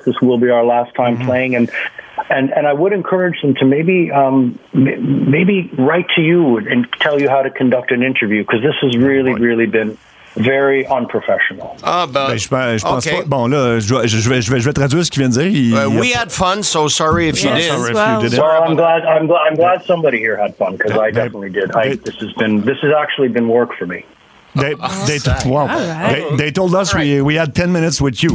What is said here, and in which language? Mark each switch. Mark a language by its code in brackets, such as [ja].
[en] This will be our last time playing, and I would encourage them to maybe write to you and tell you how to conduct an interview, because this has really, really been very unprofessional. [fr] Je vais traduire ce qu'il vient de dire. [en] We had fun, so sorry if you did. I'm glad somebody here had fun, because I definitely did. This has actually been work for me. They told us we had 10 minutes with you.